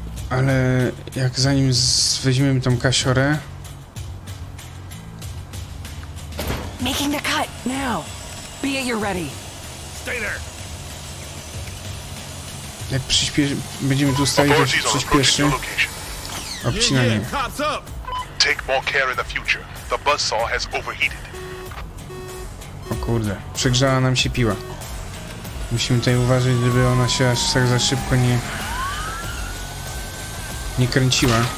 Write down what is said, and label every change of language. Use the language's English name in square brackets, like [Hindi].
[Polish] Ale jak zanim weźmiemy tą kasiorę? [English] Making the cut now. Be at your ready. Stay there. [Polish] Jak będziemy tu stali, przyspieszy. Obcinanie. [English] Take more care in the future. The buzzsaw has overheated. [Polish] O kurde, przegrzała nam się piła. Musimy tutaj uważać, żeby ona się aż tak za szybko nie kręciła.